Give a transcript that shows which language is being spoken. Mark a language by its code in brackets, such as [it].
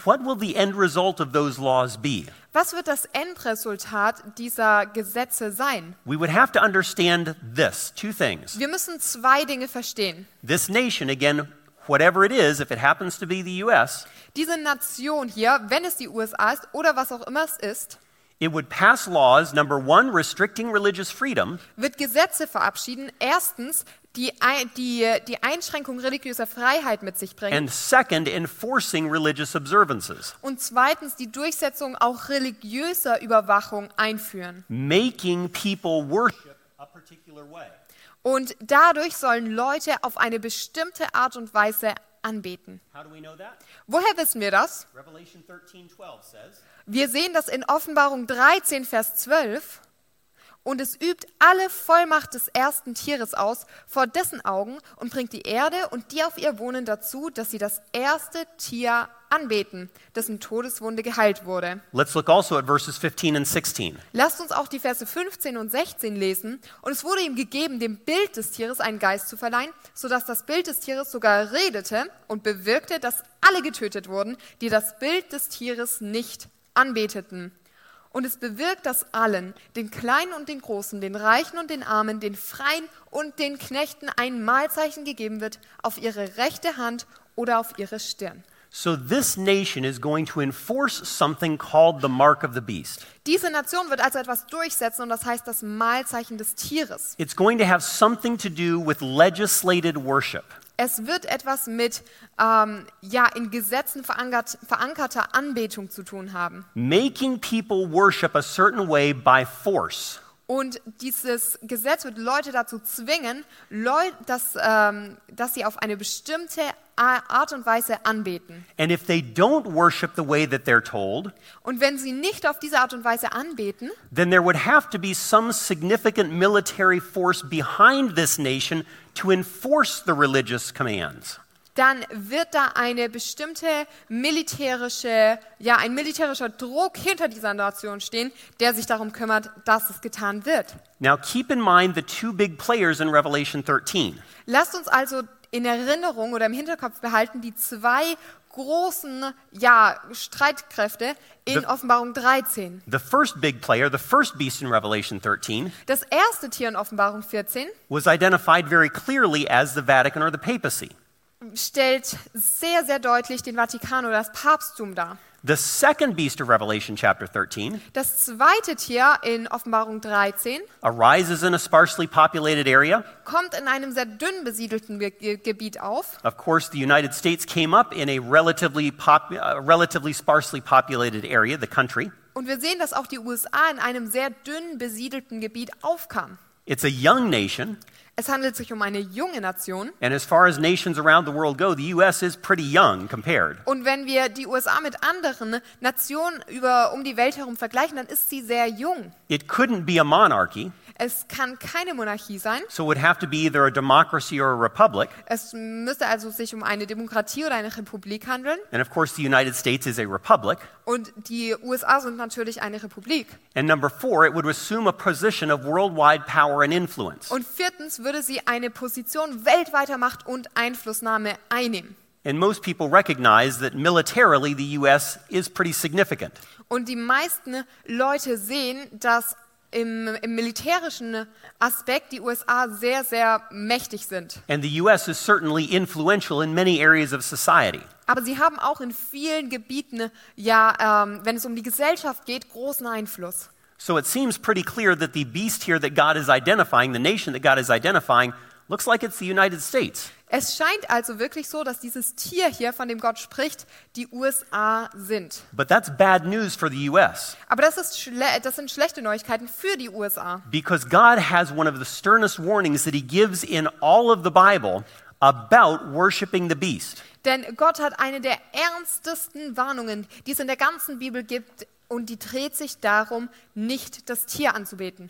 [en] What will the end result of those laws be? [de] Was wird das Endresultat dieser Gesetze sein? [en] We would have to understand this, two things. [de] Wir müssen zwei Dinge verstehen. [en] This nation, again, whatever it is, if it happens to be the US, [de] diese Nation hier, wenn es die USA ist oder was auch immer es ist, [en] it would pass laws, number one, restricting religious freedom, [de] wird Gesetze verabschieden, erstens, die Einschränkung religiöser Freiheit mit sich bringen, [en] and second, enforcing religious observances, [de] und zweitens, die Durchsetzung auch religiöser Überwachung einführen, [en] making people worship a particular way. [de] Und dadurch sollen Leute auf eine bestimmte Art und Weise anbeten. [en] How do we know that? [de] Woher wissen wir das? [en] Revelation 13, 12 says, [de] wir sehen das in Offenbarung 13, Vers 12. Und es übt alle Vollmacht des ersten Tieres aus vor dessen Augen und bringt die Erde und die auf ihr wohnen dazu, dass sie das erste Tier anbeten, dessen Todeswunde geheilt wurde. [en] Let's look also at verses 15 and 16. [de] Lasst uns auch die Verse 15 und 16 lesen. Und es wurde ihm gegeben, dem Bild des Tieres einen Geist zu verleihen, sodass das Bild des Tieres sogar redete und bewirkte, dass alle getötet wurden, die das Bild des Tieres nicht anbeteten. Und es bewirkt, dass allen, den Kleinen und den Großen, den Reichen und den Armen, den Freien und den Knechten ein Mahlzeichen gegeben wird, auf ihre rechte Hand oder auf ihre Stirn. [en] So this nation is going to enforce something called the mark of the beast. [de] Diese Nation wird also etwas durchsetzen und das heißt das Mahlzeichen des Tieres. [en] It's going to have something to do with legislated worship. [de] Es wird etwas mit in Gesetzen verankerter Anbetung zu tun haben. [en] Making people worship a certain way by force. [de] Und dieses Gesetz wird Leute dazu zwingen, dass sie auf eine bestimmte Art und Weise anbeten. [en] And if they don't worship the way that they're told, [de] und wenn sie nicht auf diese Art und Weise anbeten, [en] then there would have to be some significant military force behind this nation to enforce the religious commands. [de] Dann wird da eine bestimmte militärische, ja, ein militärischer Druck hinter dieser Nation stehen, der sich darum kümmert, dass es getan wird. [en] Now keep in mind the two big players in Revelation 13. [de] Lasst uns also in Erinnerung oder im Hinterkopf behalten die zwei großen, ja, Streitkräfte in Offenbarung 13. [en] The first big player, the first beast in Revelation 13. [de] Das erste Tier in Offenbarung 14 [en] was identified very clearly as the Vatican or the Papacy. [de] Stellt sehr, sehr deutlich den Vatikan oder das Papsttum dar. [en] The second beast of Revelation chapter 13. [de] Das zweite Tier in Offenbarung 13. [en] Arises in a sparsely populated area. [de] Kommt in einem sehr dünn besiedelten Gebiet auf. [en] Of course, the United States came up in a relatively sparsely populated area, the country. [de] Und wir sehen, dass auch die USA in einem sehr dünn besiedelten Gebiet aufkam. [en] It's a young nation. [de] Es handelt sich um eine junge Nation. [en] And as far as nations around the world go, the US is pretty young compared. [de] Und wenn wir die USA mit anderen Nationen um die Welt herum vergleichen, dann ist sie sehr jung. [en] It couldn't be a monarchy. [de] Es kann keine Monarchie sein. [en] So it would have to be either a democracy or a republic. [de] Es müsste also sich um eine Demokratie oder eine Republik handeln. [en] And of course the United States is a republic. [de] Und die USA sind natürlich eine Republik. [en] And number four, it would assume a position of worldwide power and influence. [de] Und viertens würde sie eine Position weltweiter Macht und Einflussnahme einnehmen. [en] And most people recognize that militarily the US is pretty significant. [de] Und die meisten Leute sehen, dass im militärischen Aspekt die USA sehr, sehr mächtig sind. [en] And the US is certainly influential in many areas of society. [de] Aber sie haben auch in vielen Gebieten, ja, wenn es um die Gesellschaft geht, großen Einfluss. [en] So it seems pretty clear that the beast here that God is identifying, the nation that God is identifying, looks like it's the United States. [de] Es scheint also wirklich so, dass dieses Tier hier, von dem Gott spricht, die USA sind. [en] But that's bad news for the US. [de] Aber das sind schlechte Neuigkeiten für die USA. [en] Because God has one of the sternest warnings that he gives in all of the Bible about worshiping the beast. [de] Denn Gott hat eine der ernstesten Warnungen, die es in der ganzen Bibel gibt, und die dreht sich darum, nicht das Tier anzubeten.